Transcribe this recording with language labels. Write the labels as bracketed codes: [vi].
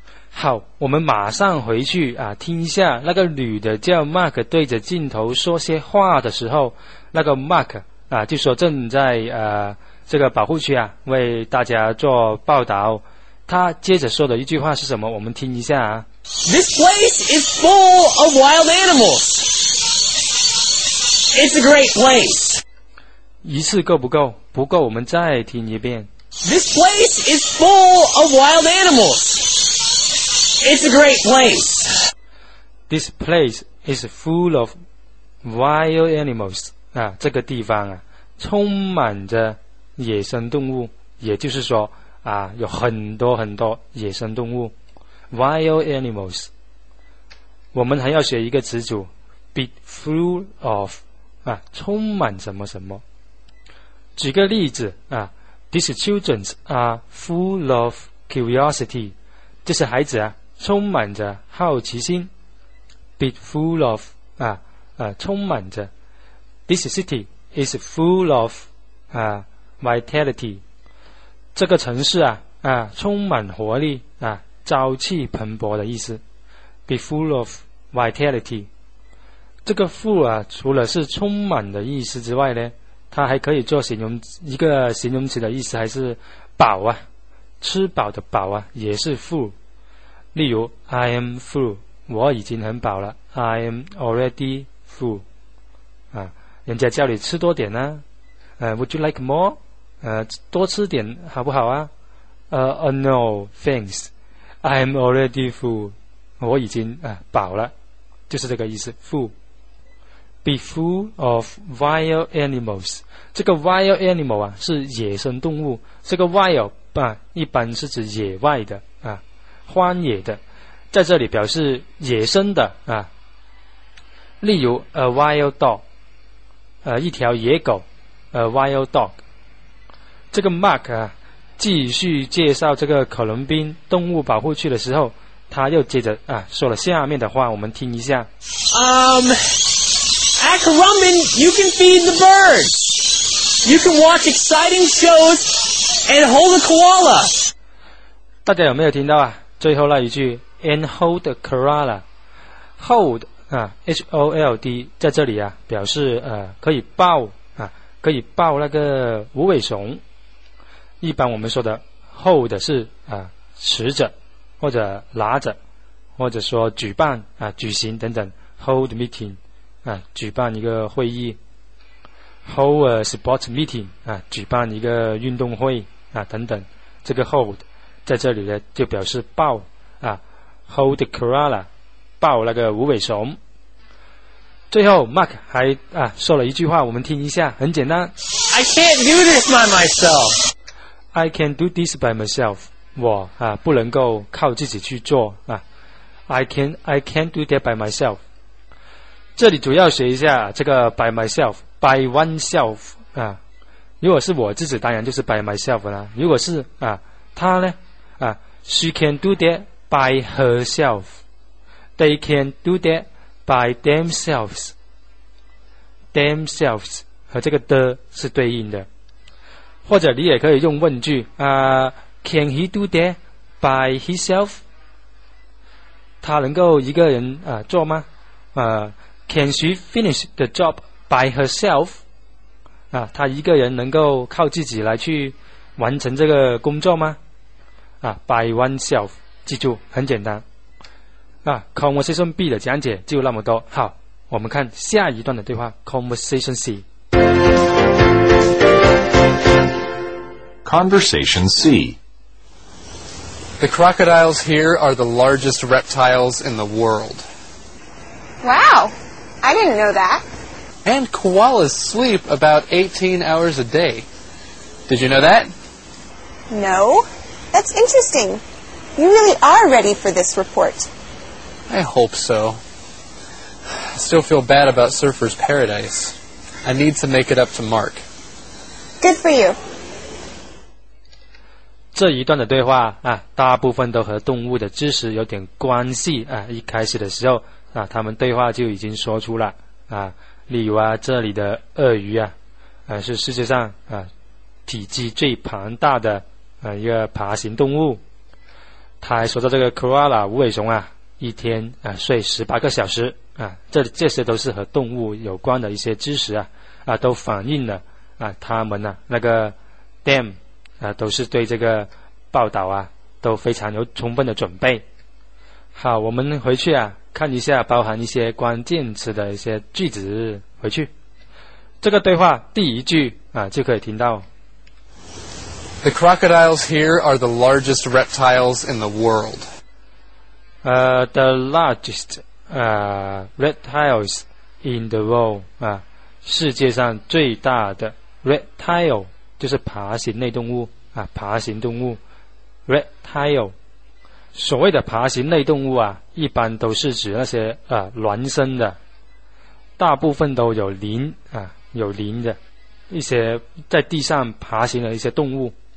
[zh] 好，我们马上回去啊听一下那个女的叫 Mark 对着镜头说些话的时候，那个 Mark 啊就说正在这个保护区啊为大家做报道。他接着说的一句话是什么，我们听一下啊。 [en] This place is full of wild animals. It's a great place. [zh] 一次够不够？不够，我们再听一遍。 [en] This place is full of wild animals. It's a great place. This place is full of wild animals. [zh] 啊，这个地方啊，充满着野生动物，也就是说啊，有很多很多野生动物 ，wild animals. 我们还要学一个词组 ，be full of. 啊，充满什么什么。举个例子啊 [en] ，These children are full of curiosity. [zh] 这些孩子啊，充满着好奇心。 [en] Be full of [zh] 充满着。 [en] This city is full of vitality. [zh] 这个城市啊，充满活力啊，朝气蓬勃的意思 [en] be full of vitality。 [zh] 这个 full 啊，除了是充满的意思之外呢，它还可以做形容一个形容词的意思，还是饱啊，吃饱的饱啊，也是 full。例如 [en] I am full， [zh] 我已经很饱了， [en] I am already full、 [zh] 啊、人家叫你吃多点啊、 [en] Would you like more？ [zh] 多吃点好不好啊？ [en] No thanks， I am already full， [zh] 我已经、饱了，就是这个意思 full。 Be full of wild animals， 这个 wild animal 啊是野生动物，这个 wild、啊、一般是指野外的啊，荒野的，在这里表示野生的啊。例如 a wild dog， 一条野狗 ，a wild dog。这个 Mark 啊，继续介绍这个可伦宾动物保护区的时候，他又接着啊说了下面的话，我们听一下。 [en] At Corumbin, you can feed the birds. You can watch exciting shows and hold a koala. [zh] 大家有没有听到啊？最后那一句 and hold a koala, hold 啊 ，H O L D 在这里啊，表示可以抱啊，可以抱那个无尾熊。一般我们说的 hold 是啊持着或者拿着，或者说举办啊举行等等 hold meeting。啊，举办一个会议 ， [en] hold a sports meeting [zh] 啊，举办一个运动会啊，等等，这个 hold 在这里呢就表示抱啊 ，hold the koala 抱那个无尾熊。最后 Mark 还啊说了一句话，我们听一下，很简单。 [en] I can't do this by myself. I can do this by myself. [zh] 我啊不能够靠自己去做啊。 [en] I can't do that by myself. [zh] 这里主要学一下这个 by myself， by oneself 啊。如果是我自己，当然就是 by myself 啦。如果是啊，他呢啊 [en] ，she can do that by herself， they can do that by themselves， themselves [zh] 和这个的是对应的。或者你也可以用问句啊 ， [en] can he do that by himself？ [zh] 他能够一个人啊做吗？啊？ [en] Can she finish the job by herself? [zh] 啊，她一个人能够靠自己来去完成这个工作吗？啊 ，by oneself， 记住，很简单。啊 ，Conversation B 的讲解就那么多。好，我们看下一段的对话 ，Conversation C。 [en] Conversation C。 The crocodiles here are the largest reptiles in the world. Wow. I didn't know that. And koalas sleep about 18 hours a day. Did you know that? No. That's interesting. You really are ready for this report. I hope so. I still feel bad about Surfer's Paradise. I need to make it up to Mark. Good for you. [zh] 这一段的对话啊，大部分都和动物的知识有点关系啊，一开始的时候啊，他们对话就已经说出了啊，例如啊，这里的鳄鱼啊，是世界上啊体积最庞大的一个爬行动物。他还说到这个 koala 无尾熊啊，一天啊睡18个小时啊，这些都是和动物有关的一些知识啊，啊都反映了啊他们呢、啊、那个 them 啊都是对这个报道啊都非常有充分的准备。好，我们回去啊。看一下包含一些关键词的一些句子，回去这个对话第一句啊就可以听到 [en] The crocodiles here are the largest reptiles in the world. The largest reptiles in the world [zh] 啊，世界上最大的 reptile 就是爬行类动物啊，爬行动物 reptile。所谓的爬行类动物啊，一般都是指那些孪生的，大部分都有鳞啊，有鳞的一些在地上爬行的一些动物。